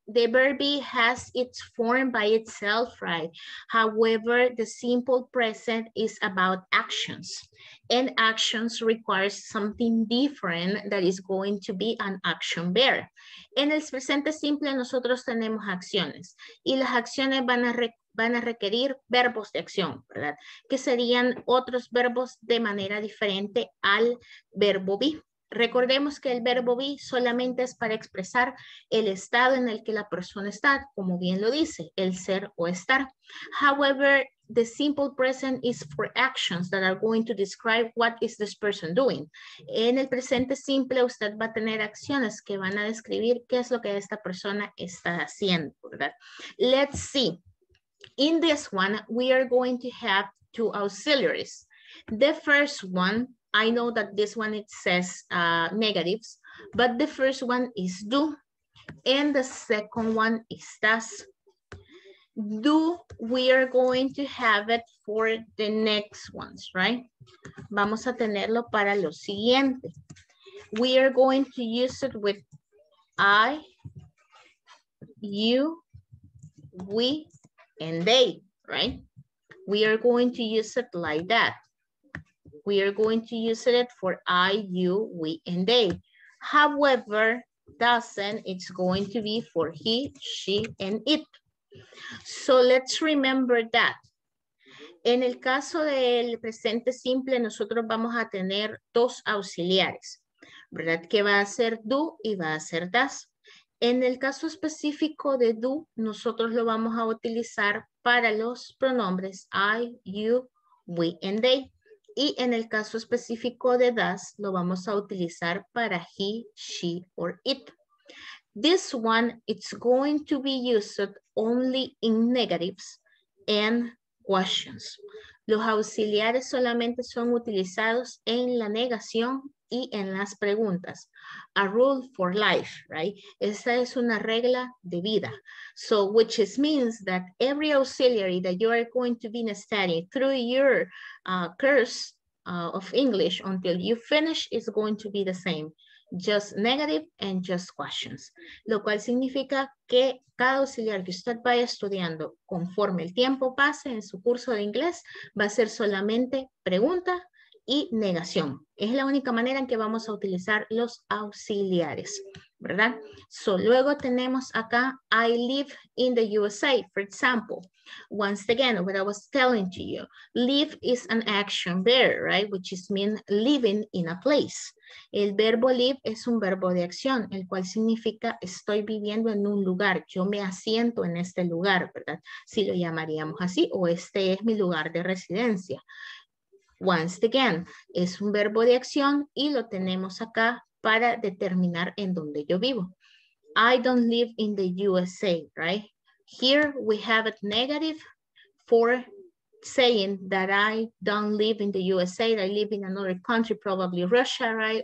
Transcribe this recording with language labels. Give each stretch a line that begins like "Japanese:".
English: The verb be has its form by itself, right? However, the simple present is about actions. And actions requires something different that is going to be an action verb.
Spanish: En el presente simple nosotros tenemos acciones y las acciones van a requerir verbos de acción, ¿verdad? Que serían otros verbos de manera diferente al verbo be. Recordemos que el verbo be solamente es para expresar el estado en el que la persona está, como bien lo dice, el ser o estar.
English: However, the simple present is for actions that are going to describe what is this person doing.
Spanish: En el presente simple, usted va a tener acciones que van a describir qué es lo que esta persona está haciendo, ¿verdad?
English: Let's see. In this one, we are going to have two auxiliaries. The first one, I know that this one, it says negatives, but the first one is do, and the second one is does. Do, we are going to have it for the next ones, right?
Spanish: Vamos a tenerlo para lo siguiente.
English: We are going to use it with I, you, we, and they, right? We are going to use it like that. We are going to use it for I, you, we, and they. However, doesn't, it's going to be for he, she, and it. So let's remember that.
Spanish: En el caso del presente simple, nosotros vamos a tener dos auxiliares, ¿verdad? Que va a ser do y va a ser does. En el caso específico de do, nosotros lo vamos a utilizar para los pronombres
English: I, you, we, and they.
Spanish: Y en el caso específico de does, lo vamos a utilizar para
English: he, she, or it. This one, it's going to be used only in negatives and questions.
Spanish: Los auxiliares solamente son utilizados en la negación y en las preguntas.
English: A rule for life, right?
Spanish: Esa es una regla de vida.
English: So, which is means that every auxiliary that you are going to be studying through your course of English until you finish is going to be the same. Just negative and just questions.
Spanish: Lo cual significa que cada auxiliar que usted vaya estudiando conforme el tiempo pase en su curso de inglés va a ser solamente pregunta y negación. Es la única manera en que vamos a utilizar los auxiliares, ¿verdad?
English: So,
Spanish: luego tenemos acá,
English: I live in the USA, for example. Once again, what I was telling to you, live is an action verb, right? Which is mean living in a place.
Spanish: El verbo live es un verbo de acción, el cual significa estoy viviendo en un lugar, yo me asiento en este lugar, ¿verdad? Si lo llamaríamos así, o este es mi lugar de residencia.
English: Once again,
Spanish: es un verbo de acción y lo tenemos acá para determinar en dónde yo vivo.
English: I don't live in the USA, right? Here we have a negative for saying that I don't live in the USA, I live in another country, probably Russia, right?